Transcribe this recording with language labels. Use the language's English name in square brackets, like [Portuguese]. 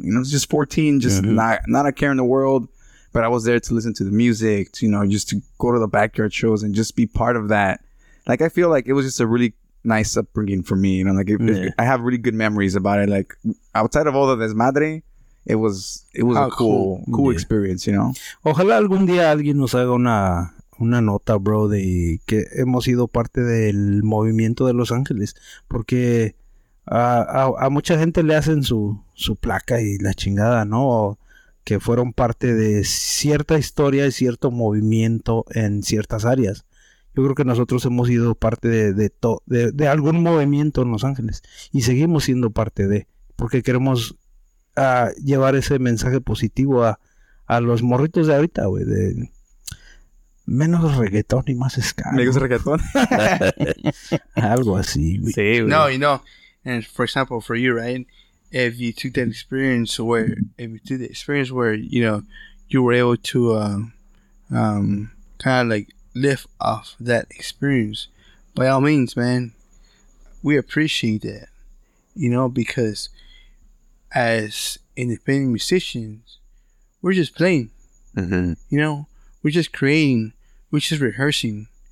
[English] You know, it's just 14, not a care in the world. But I was there to listen to the music, to, you know, just to go to the backyard shows and just be part of that. Like, I feel like it was just a really nice upbringing for me. You know, like, I have really good memories about it. Like, outside of all the desmadre, it was a cool experience, you know? [Spanish] Ojalá algún día alguien nos haga una nota, bro, de que hemos sido parte del movimiento de Los Ángeles, porque a mucha gente le hacen su placa y la chingada, ¿no? O que fueron parte de cierta historia y cierto movimiento en ciertas áreas. Yo creo que nosotros hemos sido parte de algún movimiento en Los Ángeles y seguimos siendo parte de, porque queremos llevar ese mensaje positivo a los morritos de ahorita, güey, de menos reggaetón y más ska. ¿Menos reggaetón? Algo así. Sí, güey. [English] No, you know, and for example, for you, right, if you took that experience where, you know, you were able to kind of like live off that experience, by all means, man, we appreciate that, you know, because as independent musicians, we're just playing, you know, we're just creating. Which is rehearsing.